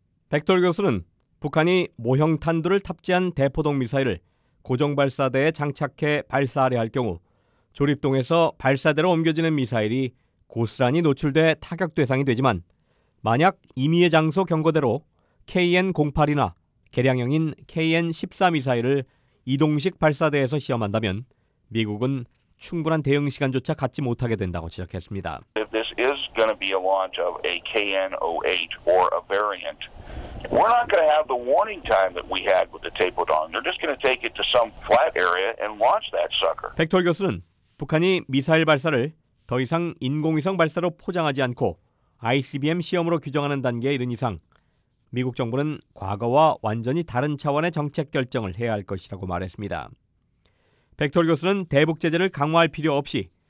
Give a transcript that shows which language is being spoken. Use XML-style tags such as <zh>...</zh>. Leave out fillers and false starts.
<ko>백돌 교수는 북한이 모형 탄두를 탑재한 대포동 미사일을 고정 발사대에 장착해 발사하려 할 경우 조립동에서 발사대로 옮겨지는 미사일이 고스란히 노출돼 타격 대상이 되지만 만약 임의의 장소 경고대로 KN-08이나 개량형인 KN-14 미사일을 이동식 발사대에서 시험한다면 미국은 충분한 대응 시간조차 갖지 못하게 된다고 지적했습니다.</ko> <en>If this is going to be a launch of a KN-08 or a variant, we're not going to have the warning time that we had with the Taepodong. They're just going to take it to some flat area and launch that sucker.</en> <ko>백돌 교수는 북한이 미사일 발사를 더 이상 인공위성 발사로 포장하지 않고 ICBM 시험으로 규정하는 단계에 이른 이상 미국 정부는 과거와 완전히 다른 차원의 정책 결정을 해야 할 것이라고 말했습니다. 백돌 교수는 대북 제재를 강화할 필요 없이</ko>